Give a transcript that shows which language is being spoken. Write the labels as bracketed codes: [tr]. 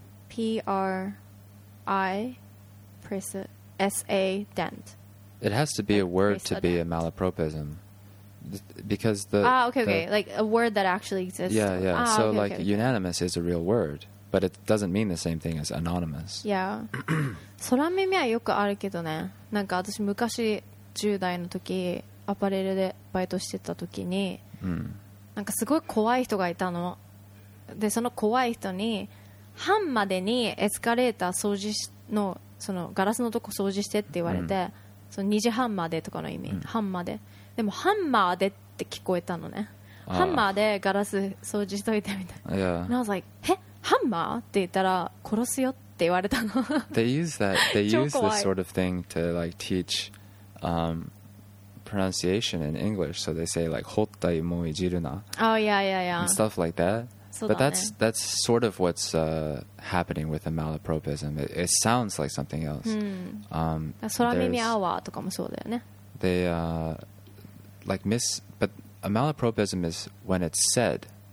[en] P-R-I, S-A-dent. It has to be a word to be a malapropism, because the... Ah, okay, like a word that actually exists. Yeah, yeah, okay. Unanimous is a real word. But it doesn't mean the same thing as anonymous. Yeah. [ja] 空耳はよくあるけどね。なんか私昔10代の時アパレルでバイトしてた時に、なんかすごい怖い人がいたの。で、その怖い人に半までにエスカレーター掃除の、そのガラスのとこ掃除してって言われて、その2時半までとかの意味、半まで。でもハンマーでって聞こえたのね。ハンマーでガラス掃除しといてみたいな。 [en] Yeah. And I was like, へ? [ja] ハンマーって言ったら殺すよって言われたの。 [en] They use that. They use this sort of thing to like teach pronunciation in English. So they say like [ja] ホッタイモイジルナ。 [en] Oh yeah, yeah, yeah. And stuff like that. But that's sort of what's happening with the malapropism. It sounds like something else. But a malapropism is when it's said.